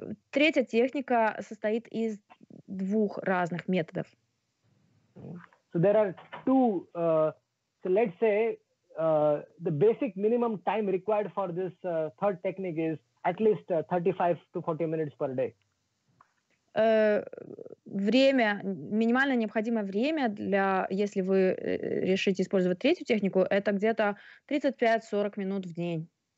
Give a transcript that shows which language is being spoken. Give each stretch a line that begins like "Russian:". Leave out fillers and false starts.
Russian: Третья техника состоит из двух разных методов.
English: So there are two. So let's say the basic minimum time required for this third technique is at least 35 to 40 minutes per day.
Russian: Время, минимально необходимое время для, если вы решите использовать третью технику, это где-то 35-40 минут в день.